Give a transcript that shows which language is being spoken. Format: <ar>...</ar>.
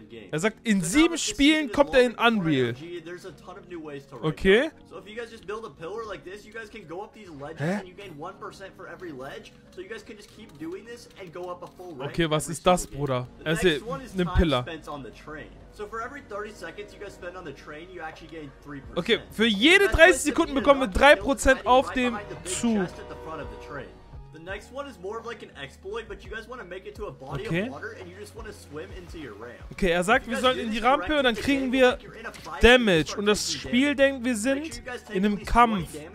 <de>Er sagt, in 7 Spielen kommt er in Unreal. Okay.</de> <en>So if you guys just build a pillar like this, you guys can go up these ledges and you gain 1% for every ledge. So you guys can just keep doing this and go up a full rank.</en> <de>Okay, was ist das, Bruder? Er ist ein Pillar.</de> <en>So for every 30 seconds you guys spend on the train, you actually gain 3%.</en> <de>Okay, für jede 30 Sekunden bekommen wir 3% auf dem Zug.</de> <en>The next one is more of like an exploit, but you guys want to make it to a body of water and you just want to swim into your ramp.</en> <de>Okay, er sagt, wir sollen in die Rampe und dann kriegen wir Damage. Und das Spiel denkt, wir sind in einem Kampf.</de>